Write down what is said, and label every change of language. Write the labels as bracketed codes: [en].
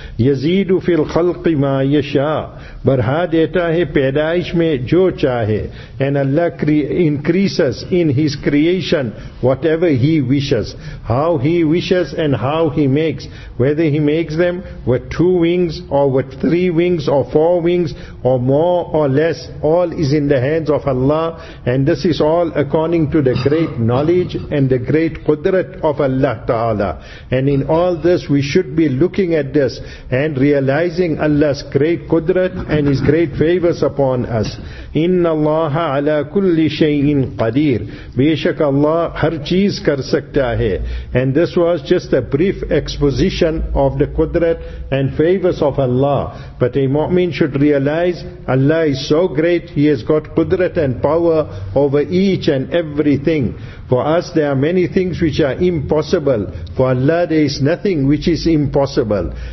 [ar] Yazidu fil khalqi ma yasha, [ur] barha deta hai paidaish mein jo chahe, [en] and Allah increases in His creation whatever He wishes, how He wishes and how He makes, whether He makes them with 2 wings or with 3 wings or 4 wings or more or less, all is in the hands of Allah, and this is all according to the great knowledge and the great qudrat of Allah Ta'ala. And in all this we should be looking at this and realizing Allah's great qudrat and His great favors upon us. In [ar] اِنَّ اللّٰهَ عَلَى كُلِّ شَيْءٍ قَدِيرٍ [ur] بے شک اللہ ہر چیز کر سکتا ہے. [en] And this was just a brief exposition of the قدرت and favors of Allah. But a mu'min should realize Allah is so great, He has got قدرت and power over each and everything. For us there are many things which are impossible. For Allah there is nothing which is impossible.